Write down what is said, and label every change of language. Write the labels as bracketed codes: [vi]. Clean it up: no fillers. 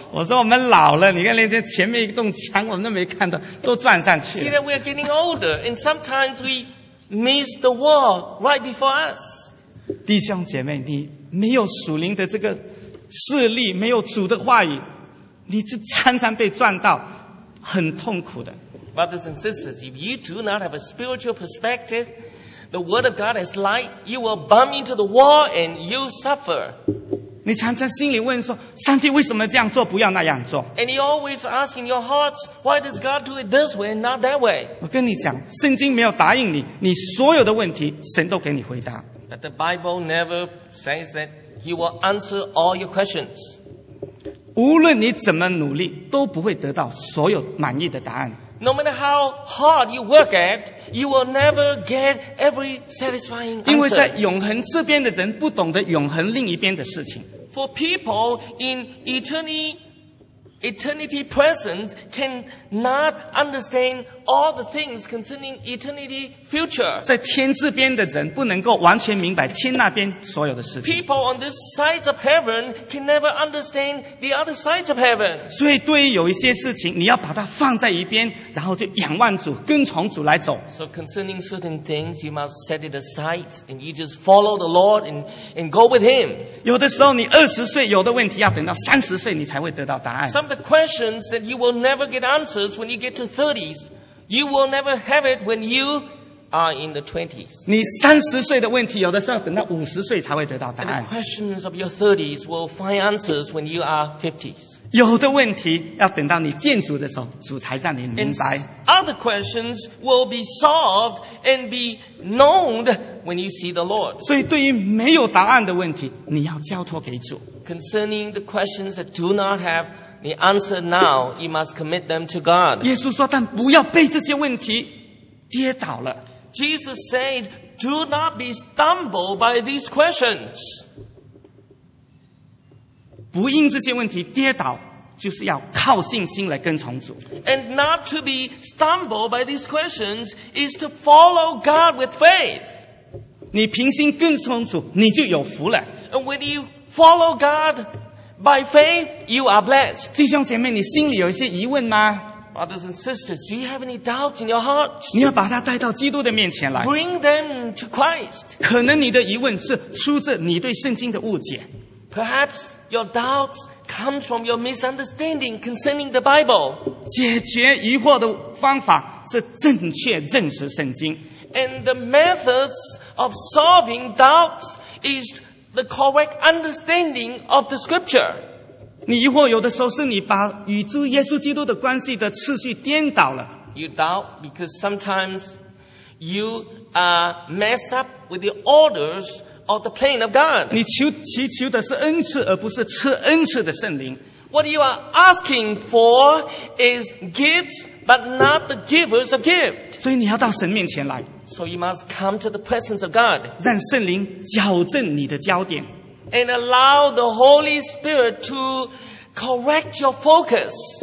[zh] 我说我们老了，你看那些前面一栋墙我们都没看到，都撞上去了。 [en] See that we are getting older, and sometimes we miss the wall right before us. [zh] 弟兄姐妹，你没有属灵的这个势力，没有主的话语，你就常常被撞到，很痛苦的。 [en] Brothers and sisters, if you do not have a spiritual perspective, the word of God is light, you will bump into the wall and you suffer. [zh] 你常常心里问说，上帝为什么这样做，不要那样做？ [en] And you always ask in your hearts, why does God do it this way and not that way? [zh] 我跟你讲，圣经没有答应你，你所有的问题，神都给你回答。 [en] But the Bible never says that he will answer all your questions. [zh] 无论你怎么努力，都不会得到所有满意的答案。 [en] No matter how hard you work at, you will never get every satisfying answer. [zh] 因为在永恒这边的人不懂得永恒另一边的事情。 [en] For people in eternity present cannot understand all the things concerning eternity future. [zh] 在天这边的人不能够完全明白天那边所有的事情。 [en] People on this side of heaven can never understand the other side of heaven. [zh] 所以对于有一些事情，你要把它放在一边，然后就仰望主，跟从主来走。 [en] So concerning certain things, you must set it aside and you just follow the Lord and go with Him. [zh] 有的时候你二十岁，有的问题要等到三十岁你才会得到答案。 [en] Some of the questions that you will never get answers when you get to 30s. You will never have it when you are in the 20s. [zh] 你三十岁的问题，有的时候等到五十岁才会得到答案。 [en] The questions of your 30s will find answers when you are 50s. [zh] 有的问题要等到你见主的时候，主才让你明白。 [en] Other questions will be solved and be known when you see the Lord. [zh] 所以对于没有答案的问题，你要交托给主。 [en] Concerning the questions that do not have The answer now, you must commit them to God. [zh] 耶稣说，但不要被这些问题跌倒了。 [en] Jesus says, do not be stumbled by these questions. [zh] 不因这些问题跌倒，就是要靠信心来跟从主。 [en] And not to be stumbled by these questions is to follow God with faith. [zh] 你凭信跟从主，你就有福了。 [en] And when you follow God,By faith, you are blessed. [zh] 弟兄姐妹，你心里有一些疑问吗？ [en] Brothers and sisters, do you have any doubts in your heart? [zh] 你要把它带到基督的面前来。 [en] Bring them to Christ. [zh] 可能你的疑问是出自你对圣经的误解。 [en] Perhaps your doubts come from your misunderstanding concerning the Bible. [zh] 解决疑惑的方法是正确认识圣经。 [en] And the methods of solving doubts is... The correct understanding of the scripture. [zh] 你疑惑有的时候是你把与主耶稣基督的关系的次序颠倒了。 [en] You doubt because sometimes you are messed up with the orders of the plan of God. [zh] 你祈求的是恩赐而不是赐恩赐的圣灵。 [en] What you are asking for is gifts but not the givers of gift. [zh] 所以你要到神面前来。 [en] So you must come to the presence of God. [zh] 让圣灵矫正你的焦点。 [en] And allow the Holy Spirit to correct your focus.